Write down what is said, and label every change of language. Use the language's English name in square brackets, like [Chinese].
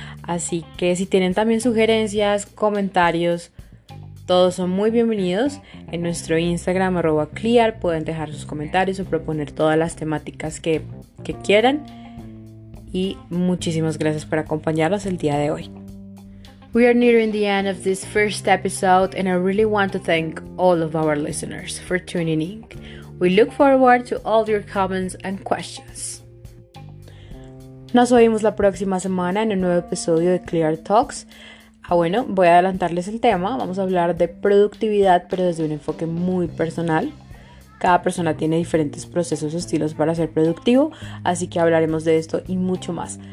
[Spanish] Así que si tienen también sugerencias, comentarios, todos son muy bienvenidos. En nuestro Instagram, @clear, pueden dejar sus comentarios o proponer todas las temáticas que quieran. Y muchísimas gracias por acompañarnos el día de hoy. [English] We are nearing the end of this first episode, and I really want to thank all of our listeners for tuning in. We look forward to all your comments and questions. [Spanish] Nos oímos la próxima semana en un nuevo episodio de Clear Talks. Bueno, voy a adelantarles el tema. Vamos a hablar de productividad, pero desde un enfoque muy personal. Cada persona tiene diferentes procesos o estilos para ser productivo, así que hablaremos de esto y mucho más.